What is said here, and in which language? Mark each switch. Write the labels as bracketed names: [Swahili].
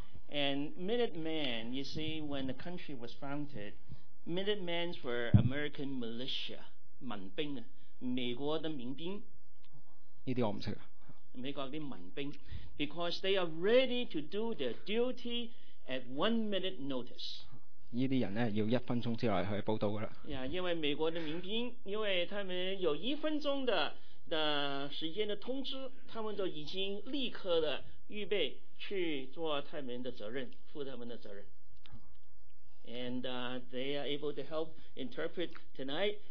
[English] And Minutemen, you see, when the country was founded, Minutemen were American militia, [Chinese] 民兵，美国的民兵。这些我不知道。美国的民兵。 [English] Because they are ready to do their duty at 1 minute notice. [Chinese] 这些人呢，要一分钟之内去报到的了。 Yeah, 因为美国的民兵，因为他们有一分钟的时间的通知，他们都已经立刻的预备去做他们的责任，负他们的责任。 [English] And they are able to help interpret tonight.